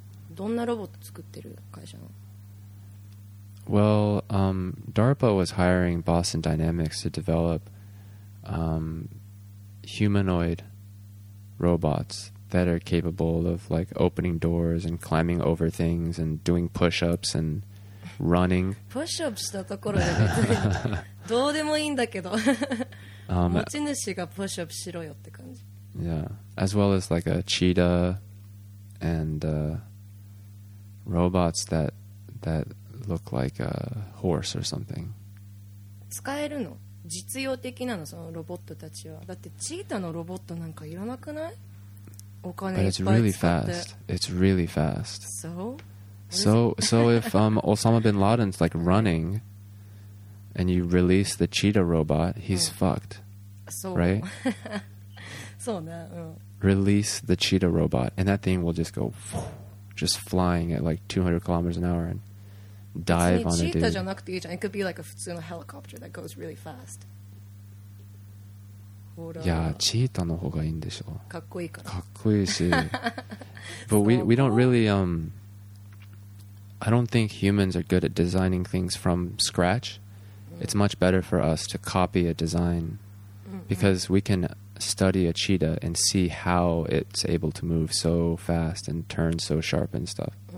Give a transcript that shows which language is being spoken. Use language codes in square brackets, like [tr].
[ja] どんなロボット作ってる会社の? [en] Well, DARPA was hiring Boston Dynamics to develop humanoid robots that are capable of like opening doors and climbing over things and doing push-ups and running. [ja] Push-ups したところで別にどうでもいいんだけど持ち主がpush-upsしろよって感じ。 [en] Yeah, as well as like a cheetah and robots that look like a horse or something. [ja] 使えるの? 実用的なの?そのロボットたちは。だってチータのロボットなんかいらなくない? お金いっぱい使って。 [en] But it's really fast. It's really fast. So? So if Osama bin Laden's like running and you release the cheetah robot, he's fucked. So. Right? [ja] そうね。 [en] Release the cheetah robot and that thing will just go... just flying at like 200 kilometers an hour and dive on a dude. Cheetah [ja] じゃなくていいじゃん。 [en] It could be like a [ja] 普通の [en] helicopter that goes really fast. [ja] いや、チーターの方がいいんでしょ。かっこいいから。かっこいいし。 [en] But we don't really, I don't think humans are good at designing things from scratch. It's much better for us to copy a design because we can... study a cheetah and see how it's able to move so fast and turn so sharp and stuff.